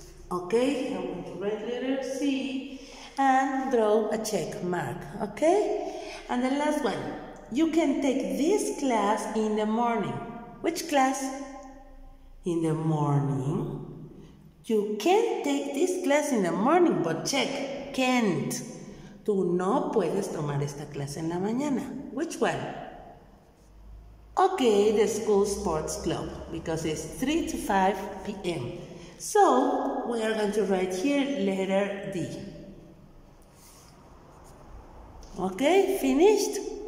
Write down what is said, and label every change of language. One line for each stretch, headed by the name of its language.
English: Okay, I want to write letter C. And draw a check mark, okay? And the last one, you can take this class in the morning. Which class? In the morning. You can take this class in the morning, but check, can't.
Spanish: Tú no puedes tomar esta clase en la mañana.
English: Which one? Okay, the school sports club, because it's 3 to 5 p.m. So, we are going to write here letter D. Okay, finished?